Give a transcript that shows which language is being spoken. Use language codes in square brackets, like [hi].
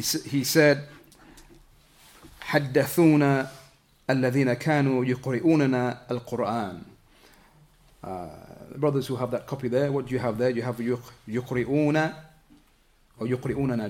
[en] He said, [ar] حدثونا الذين كانوا يقرؤوننا القرآن. [en] Brothers who have that copy there, what do you have there? You have يقرؤون or يقرؤوننا.